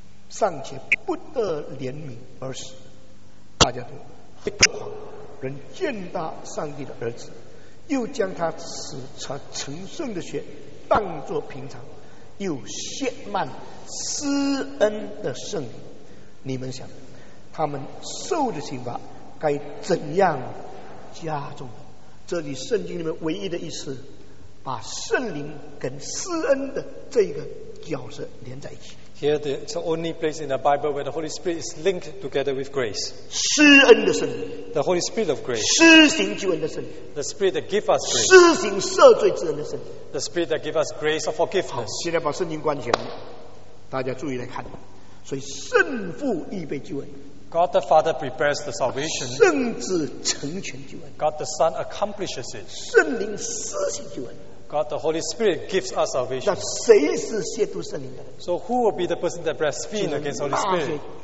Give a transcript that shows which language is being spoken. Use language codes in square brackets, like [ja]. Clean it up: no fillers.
[zh] 尚且不得怜悯而死，大家都不狂。人践踏上帝的儿子，又将他赐成圣的血当作平常， 又亵慢施恩的圣灵，你们想，他们受的刑罚该怎样加重？这里圣经里面唯一的一次，把圣灵跟施恩的这个角色连在一起。 [en] Here, it's the only place in the Bible where the Holy Spirit is linked together with grace. [zh] 施恩的圣灵, [en] the Holy Spirit of grace. [zh] 施行救恩的圣灵, [en] the Spirit that gives us grace. [zh] 施行赦罪之恩的圣灵, [en] the Spirit that gives us grace of forgiveness. [zh] 好，现在把圣经关起来, 大家注意来看。所以圣父预备救恩, [en] God the Father prepares the salvation. [zh] 圣子成全救恩, [en] God the Son accomplishes it. [zh] 圣灵施行救恩, [en] God the Holy Spirit gives us salvation. [zh] 那谁是亵渎圣灵的人? [en] So who will be the person that blasphemes against the Holy Spirit?